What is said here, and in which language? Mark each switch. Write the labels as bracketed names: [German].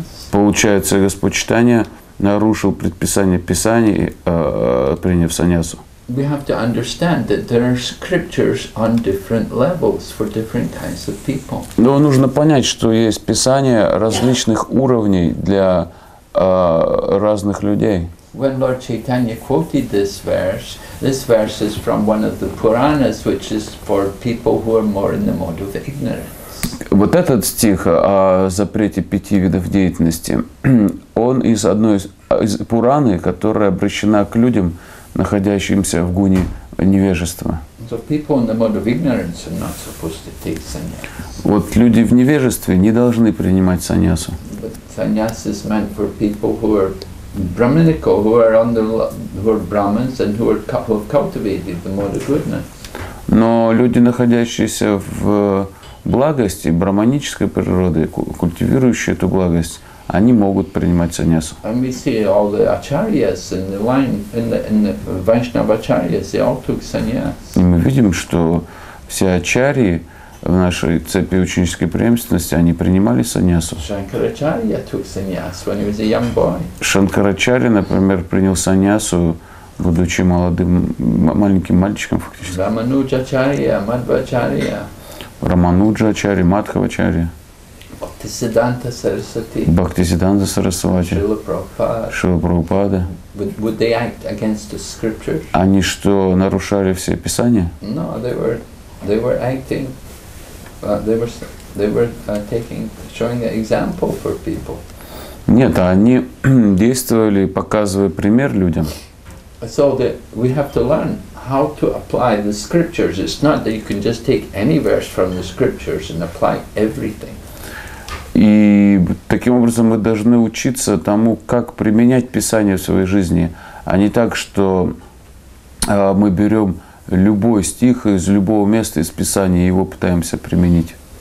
[Russian] Получается, Господь Читания нарушил предписание Писаний, приняв саньясу. [English] We have to understand that there are scriptures on different levels for different kinds of people. [Russian] Но нужно понять, что есть писания различных уровней для разных людей. [English] When Lord Chaitanya quoted this verse is from one of the Puranas, which is for people who are more in the mode of ignorance. [Russian] Вот этот стих о запрете пяти видов деятельности, он из одной из Пураны, которая обращена к людям, находящимся в гуне невежества. [English] So people in the mode of ignorance are not supposed to take sannyasa. [Russian] Вот люди в невежестве не должны принимать саньясу. [English] But sannyasa is meant for people who are brahminical, who are under, who are brahmins and who are who have cultivated the mode of goodness. [Russian] Но люди, находящиеся в благости, брахманической природы, культивирующие эту благость, они могут принимать саньясу. [English] And we see all the acharyas in the line, in the Vaishnava acharyas, they all took sannyas. [Russian] И мы видим, что все ачарьи в нашей цепи ученической преемственности, они принимали саньясу. [English] Shankaracharya took sannyas when he was a young boy. [Russian] Шанкарачарья, например, принял саньясу, будучи молодым, маленьким мальчиком фактически. Рамануджачарья, Мадхвачарья. Рамануджачарья, Мадхвачарья. Бхактисиддханта Сарасвати. Бхактисиддханта Сарасвати. Шрила Прабхупада. Шрила Прабхупада. [English] Would they act against the scriptures? [Russian] Они что, нарушали все писания? [English] No, they were showing an example for people. [Russian] Нет, они действовали, показывая пример людям. [English] So that we have to learn how to apply the scriptures. It's not that you can just take any verse from the scriptures and apply everything. [Russian] И таким образом мы должны учиться тому, как применять Писание в своей жизни, а не так, что мы берем любой стих из любого места из Писания и его пытаемся применить.